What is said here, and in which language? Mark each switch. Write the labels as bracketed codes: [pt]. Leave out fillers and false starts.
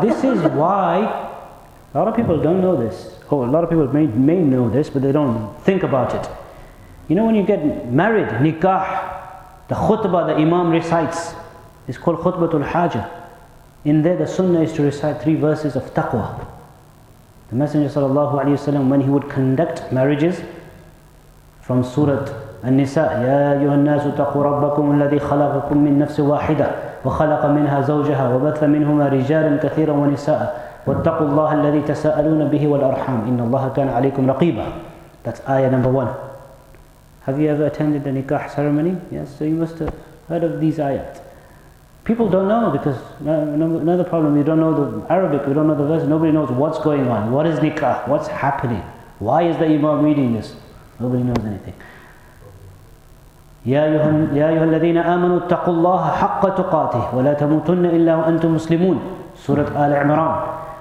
[en] This is why a lot of people don't know this. Oh, a lot of people may know this, but they don't think about it. You know, when you get married, nikah, the khutbah the imam recites is called khutbatul hajah. In there, the sunnah is to recite three verses of taqwa. The Messenger sallallahu alayhi wa sallam, when he would conduct marriages, from Surah An-Nisa, [ar] يَا أَيُّهَا النَّاسُ تَقُوا رَبَّكُمُ الَّذِي خَلَقَكُم مِّن نَّفْسٍ وَاحِدَةٍ وَخَلَقَ مِنْهَا زَوْجَهَا وَبَثَّ مِنْهُمَا رِجَالًا كَثِيرًا وَنِسَاءً وَاتَّقُوا اللَّهَ الَّذِي تَسَاءَلُونَ بِهِ وَالْأَرْحَامَ إِنَّ اللَّهَ كَانَ عَلَيْكُمْ رَقِيبًا. [en] That's ayah number one. Have you ever attended a nikah ceremony? Yes, so you must have heard of these ayat. People don't know, because another problem, you don't know the Arabic, you don't know the verse, nobody knows what's going on. What is nikah? What's happening? Why is the imam reading this? Nobody knows anything. [ar] يَا أَيُّهَا الَّذِينَ آمَنُوا اتَّقُوا اللَّهَ حَقَّ تُقَاتِهِ وَلَا تَمُوتُنَّ إِلَّا وَأَنْتُمْ مُسْلِمُونَ Surah Al Imran.